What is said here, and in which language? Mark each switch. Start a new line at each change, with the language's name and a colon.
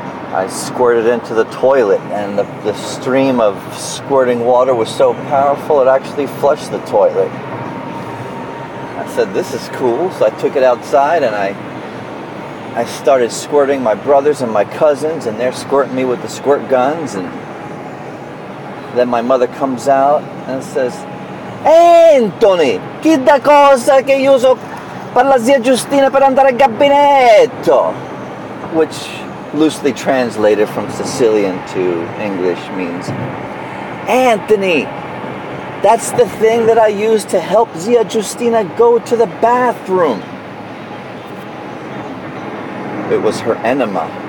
English: I squirted into the toilet, and the stream of squirting water was so powerful it actually flushed the toilet. I said, this is cool. So I took it outside and I started squirting my brothers and my cousins, and they're squirting me with the squirt guns. And then my mother comes out and says,
Italian: Hentony, chi da cosa che uso per la zia Justina per andare al gabinetto?
English: Which, loosely translated from Sicilian to English, means, Anthony, that's the thing that I use to help Zia Justina go to the bathroom. It was her enema.